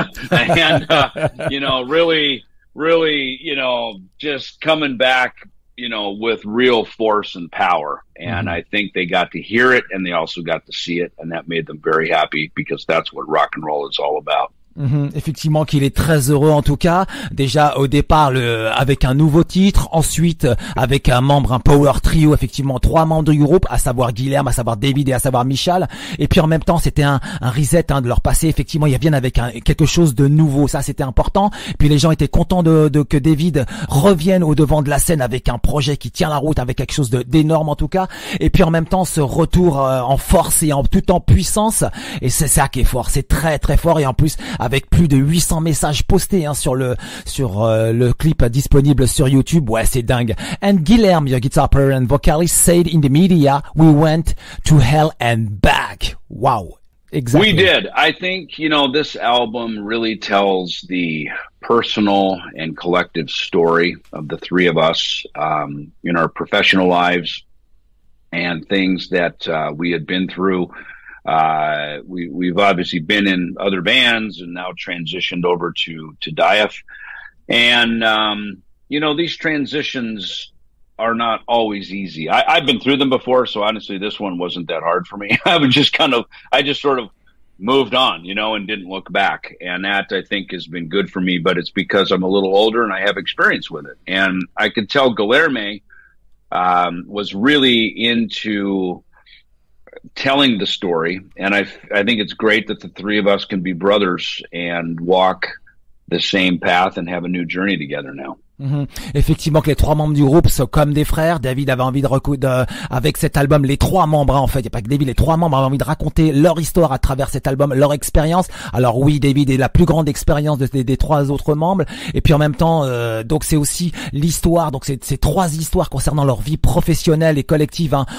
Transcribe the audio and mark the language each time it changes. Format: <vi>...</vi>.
<en>And, you know, really, really, you know, just coming back, you know, with real force and power. And I think they got to hear it and they also got to see it. And that made them very happy because that's what rock and roll is all about. Mm-hmm.</en> <fr>Effectivement qu'il est très heureux en tout cas, déjà au départ avec un nouveau titre, ensuite avec un membre, un power trio, effectivement trois membres du groupe, à savoir Guilherme, à savoir David et à savoir Michał, et puis en même temps c'était un reset, hein, de leur passé. Effectivement, ils viennent avec quelque chose de nouveau, ça c'était important, et puis les gens étaient contents de que David revienne au devant de la scène avec un projet qui tient la route, avec quelque chose d'énorme en tout cas, et puis en même temps ce retour en force et tout en puissance, et c'est ça qui est fort, c'est très très fort. Et en plus, avec plus de 800 messages postés, hein, sur le clip disponible sur YouTube. Ouais, c'est dingue.</fr> <en>And Guilherme, your guitar player and vocalist, said in the media, we went to hell and back. Wow. Exactly. We did. I think, you know, this album really tells the personal and collective story of the three of us in our professional lives and things that we had been through. We've obviously been in other bands and now transitioned over to Dieth. And, you know, these transitions are not always easy. I've been through them before. So honestly, this one wasn't that hard for me. I just sort of moved on, you know, and didn't look back. And that, I think, has been good for me, but it's because I'm a little older and I have experience with it. And I could tell Guilherme, was really into telling the story, and I think it's great that the three of us can be brothers and walk the same path and have a new journey together now. Mm-hmm.</en> <fr>Effectivement, que les trois membres du groupe sont comme des frères. David avait envie avec cet album, les trois membres, hein, en fait. Il n'y a pas que David, les trois membres avaient envie de raconter leur histoire à travers cet album, leur expérience. Alors oui, David est la plus grande expérience des trois autres membres. Et puis en même temps, donc c'est aussi l'histoire. Donc c'est trois histoires concernant leur vie professionnelle et collective, hein.</fr>